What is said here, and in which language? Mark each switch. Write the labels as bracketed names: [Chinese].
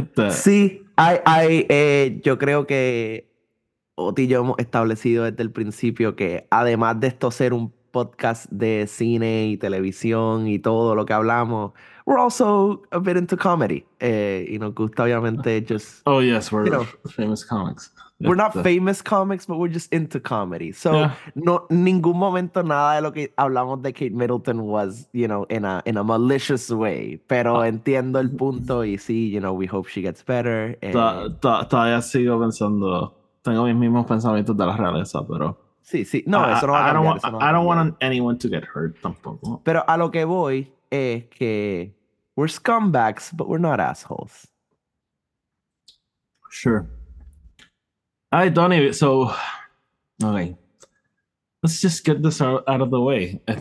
[Spanish] Sí, yo creo que Oti y yo hemos establecido desde el principio que, además de esto ser un podcast de cine y televisión y todo lo que hablamos, [English] we're also a bit into comedy. [Spanish] Y nos gusta, obviamente, [English] just... Oh, yes, we're, you know, famous comics. We're not famous comics, but we're just into comedy. So, yeah. [Spanish] No, ningún momento nada de lo que hablamos de Kate Middleton [English] was, you know, in a malicious way. [Spanish] Pero entiendo el punto, y sí, [English] you know, we hope she gets better. [Spanish] Todavía sigo pensando, tengo mis mismos pensamientos de la realeza, pero... Sí, sí. No, eso no va a cambiar. [English] I don't want anyone to get hurt [Spanish] tampoco. Pero a lo que voy es que [English] we're scumbags, but we're not assholes. Sure. Hey, Tony, so, okay, let's just get this out of the way.